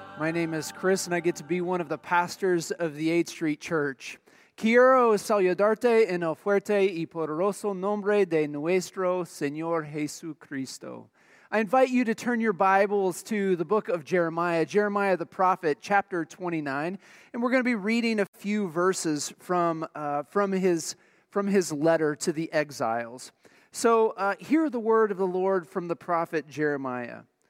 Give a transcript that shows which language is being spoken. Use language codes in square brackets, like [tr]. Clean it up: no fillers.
[en] My name is Chris, and I get to be one of the pastors of the 8th Street Church. [es] Quiero saludarte en el fuerte y poderoso nombre de nuestro Señor Jesucristo. [en] I invite you to turn your Bibles to the book of Jeremiah, Jeremiah the prophet, chapter 29, and we're going to be reading a few verses from his letter to the exiles. So hear the word of the Lord from the prophet Jeremiah.